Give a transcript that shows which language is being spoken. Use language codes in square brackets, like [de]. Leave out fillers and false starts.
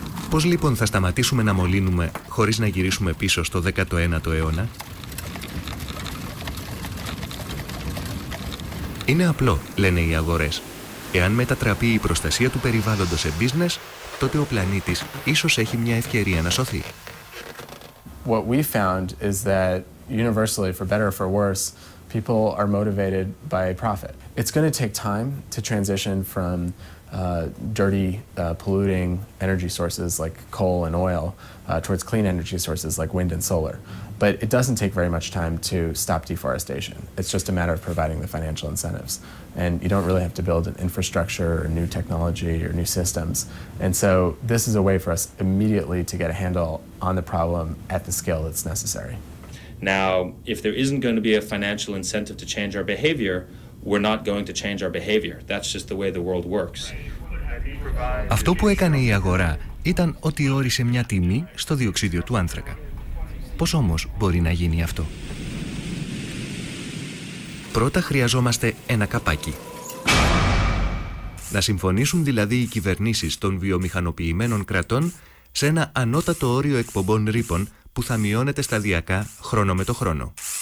[el] Πώς λοιπόν θα σταματήσουμε να μολύνουμε χωρίς να γυρίσουμε πίσω στο 19ο αιώνα? Είναι απλό, λένε οι αγορές. Εάν μετατραπεί η προστασία του περιβάλλοντος σε business, τότε ο πλανήτης ίσως έχει μια ευκαιρία να σωθεί. [en] What we found is that universally, for better or for worse, people are motivated by profit. It's going to take time to transition from dirty, polluting energy sources like coal and oil towards clean energy sources like wind and solar. But it doesn't take very much time to stop deforestation. It's just a matter of providing the financial incentives. And you don't really have to build an infrastructure or new technology or new systems. And so this is a way for us immediately to get a handle on the problem at the scale that's necessary. Now, if there isn't going to be a financial incentive to change our behavior, we're not going to change our behavior. That's just the way the world works. [el] Αυτό που έκανε η αγορά ήταν ότι όρισε μια τιμή στο διοξείδιο του άνθρακα. Πώς όμως μπορεί να γίνει αυτό? Πρώτα χρειαζόμαστε ένα καπάκι. Να συμφωνήσουν δηλαδή οι κυβερνήσεις των βιομηχανοποιημένων κρατών σε ένα ανώτατο όριο εκπομπών ρήπων που θα μειώνεται σταδιακά χρόνο με το χρόνο.